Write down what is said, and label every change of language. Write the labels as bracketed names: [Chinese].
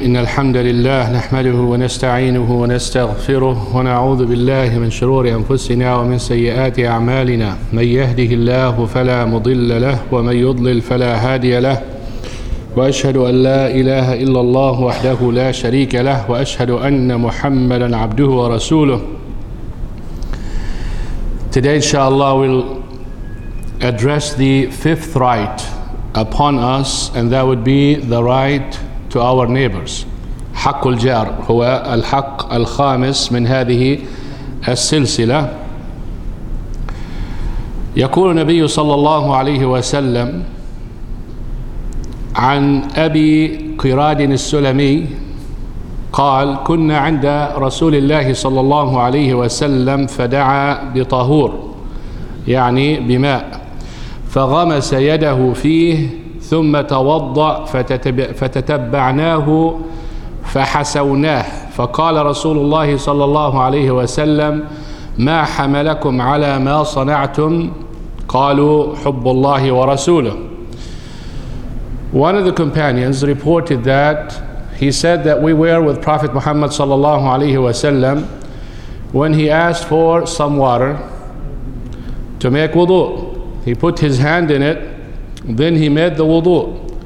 [Arabic] إن الحمد لله نحمده ونستعينه ونستغفره ونعوذ بالله من شرور أنفسنا ومن سيئات أعمالنا، من يهده الله فلا مضل له ومن يضلل فلا هادي له، وأشهد أن لا إله إلا الله وحده لا شريك له، وأشهد أن محمدا عبده ورسوله. [English] Today inshallah we'll address the fifth right upon us, and that would be the right to our neighbors. [Arabic] حق الجار هو الحق الخامس من هذه السلسلة. يقول النبي صلى الله عليه وسلم عن أبي قراد السلمي قال: كنا عند رسول الله صلى الله عليه وسلم فدعا بطهور، يعني بماء، فغمس يده فيه ثم توضأ فتتبعناه فحسوناه، فقال رسول الله صلى الله عليه وسلم: ما حملكم على ما صنعتم؟ قالوا: حب الله ورسوله. [English] One of the companions reported that he said that we were with Prophet Muhammad [Arabic] صلى الله عليه وسلم [English] when he asked for some water to make wudu. He put his hand in it, then he made the wudu.